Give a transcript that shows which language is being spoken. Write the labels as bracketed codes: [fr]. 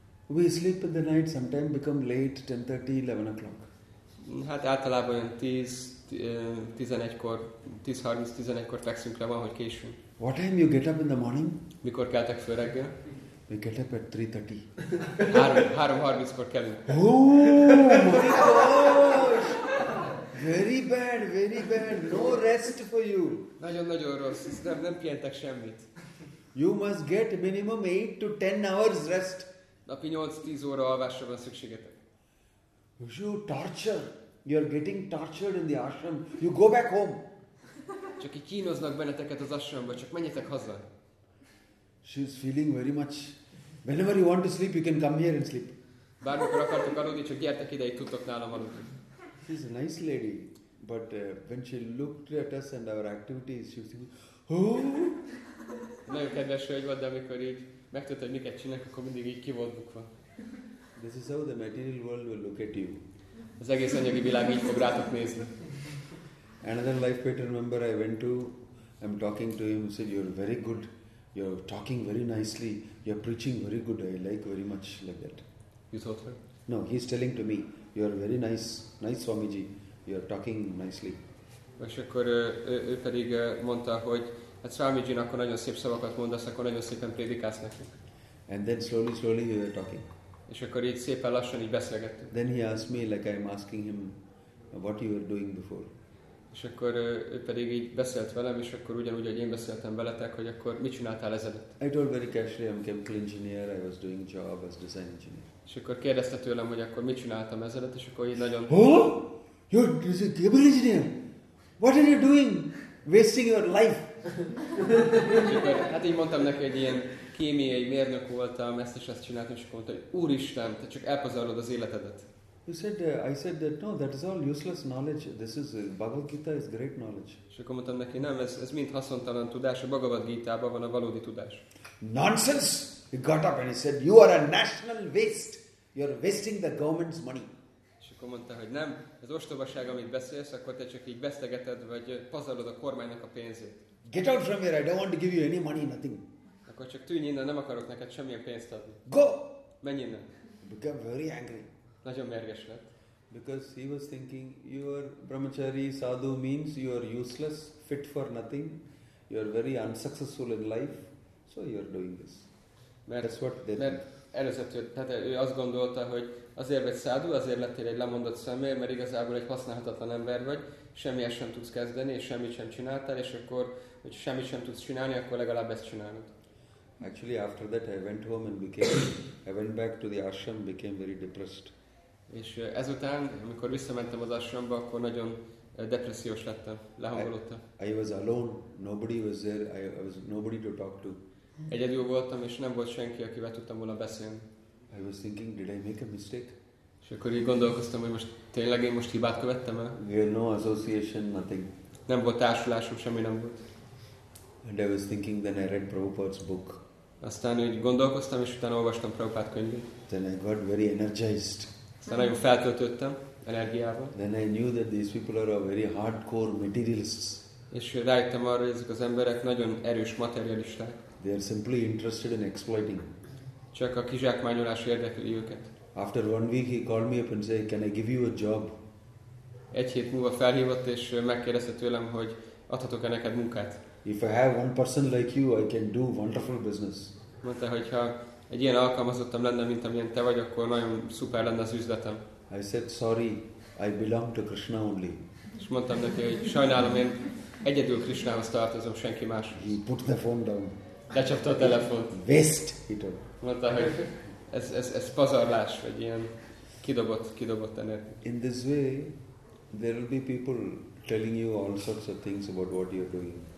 [en] We sleep in the night, sometime become late, 10:30, 11 o'clock. [hu] Hát általában olyan 10:30, 11 fekszünk le, van, hogy későn. [en] What time you get up in the morning? [hu] Mikor keltek föl reggel? [en] We get up at 3:30. [hu] 3:30-kor kelünk. [en] Oh my gosh! Very bad. No rest for you. [hu] Nagyon-nagyon rossz. Nem pihentek semmit. [en] You must get minimum 8 to 10 hours rest. [hu] Napi 8-10 óra alvásra van szükségetek. [en] You torture. You are getting tortured in the ashram. You go back home. [hu] Csak így kínoznak benneteket az ashramba, csak menjetek haza. [en] She is feeling very much. Whenever you want to sleep, you can come here and sleep. [hu] Bármikor akartok aludni, csak gyertek ide, itt tudtok nálam aludni. [en] She is a nice lady, but when she looked at us and our activities, she was thinking, oh! [hu] Nagyon kedves hölgy volt, de amikor így megtudta, hogy miket csinálok, akkor mindig így ki volt bukva. [en] This is how the material world will look at you. [hu] Az egész anyagi világ így fog rátok nézni. [en] Another life pattern member I went to, I'm talking to him, he said, you're very good, you're talking very nicely, you're preaching very good, I like very much like that. You thought her? No, he's telling to me, you're very nice Swamiji, you're talking nicely. [hu] És akkor ő pedig mondta, hogy hát Swamiji, akkor nagyon szép szavakat mondasz, akkor nagyon szépen prédikálsz nekünk. [en] And then slowly we were talking. [hu] És akkor így szépen lassan így beszélgettünk. [en] Then he asked me, like I'm asking him, what you were doing before. [hu] És akkor ő pedig így beszélt velem, és akkor ugyanúgy, hogy én beszéltem veletek, hogy akkor mit csináltál ezelőtt? [en] I told very casually, I'm chemical engineer, I was doing job as design engineer. [hu] És akkor kérdezte tőlem, hogy akkor mit csináltam ezelőtt, és akkor így nagyon... [en] Oh! You're a chemical engineer! What are you doing? Wasting your life! [hu] Akkor, hát így mondtam neki, hogy ilyen kémiai mérnök voltam, ezt és ezt csináltam, és akkor mondta, hogy úristen, te csak elpazarlod az életedet. [en] I said that no, that is all useless knowledge. This is Bhagavad Gita is great knowledge. [hu] És akkor mondtam neki, nem, ez mind haszontalan tudás, a Bhagavad Gita-ban van a valódi tudás. [en] Nonsense! He got up and he said, you are a national waste. You are wasting the government's money. [hu] És akkor mondta, hogy nem, ez ostobaság, amit beszélsz, akkor te csak így vesztegeted, vagy pazarlod a kormánynak a pénzét. [en] Get out from here, I don't want to give you any money, nothing. [hu] Akkor csak tűnj innen, nem akarok neked semmilyen pénzt adni. [en] Go! [hu] Menj innen. [en] Become very angry. [hu] Nagyon mérges lett. [en] Because he was thinking, you are brahmachari, sadhu means you are useless, fit for nothing, you are very unsuccessful in life, so you are doing this. [hu] Mert, [en] that's what they [hu] mert előzetül, tehát ő azt gondolta, hogy azért vagy sadhu, azért lettél egy lemondott személy, mert igazából egy használhatatlan ember vagy, semmilyen sem tudsz kezdeni, és semmit sem csináltál, és akkor, hogy semmit sem tudsz csinálni, akkor legalább ezt csinálod. [en] Actually, after that, I went home and became. I went back to the ashram, became very depressed. [hu] És ezután, amikor visszamentem az ashramba, akkor nagyon depressziós lettem, lehangolódtam. [en] I was alone. Nobody was there. I was nobody to talk to. [hu] Egyedül voltam, és nem volt senki, akivel tudtam volna beszélni. [en] I was thinking, did I make a mistake? [hu] És És akkor így gondolkoztam, hogy most tényleg én most hibát követtem el? [en] Yeah, no association, nothing. [hu] Nem volt társulásom, semmi nem volt. [en] And I was thinking, then I read Prabhupada's book. [hu] Aztán így gondolkoztam, és utána olvastam Prabhupada könyvét. [en] Then I got very energized. [hu] Aztán nagyon feltöltöttem energiával. [en] Then I knew that these people are very hardcore materialists. [hu] És rájöttem arra, hogy ezek az emberek nagyon erős materialisták. [en] They are simply interested in exploiting. [hu] Csak a kizsákmányolás érdekli őket. [en] After 1 week, he called me up and said, "Can I give you a job?" [hu] Egy hét múlva felhívott és megkérdezte tőlem, hogy adhatok-e neked munkát. [en] If I have one person like you, I can do wonderful business. [hu] Mondta, hogyha egy ilyen alkalmazottam lenne, mint amilyen te vagy, akkor nagyon szuper lenne az üzletem. [en] I said, "Sorry, I belong to Krishna only." [hu] És mondtam neki, hogy sajnálom, én egyedül Krishnához tartozom, senki más. [en] He put the phone down. [hu] Lecsapta a telefont. [en] Waste, he told. [hu] Mondta, hogy ez pazarlás, vagy ilyen kidobott energia. [en] In this way, there will be people telling you all sorts of things about what you're doing.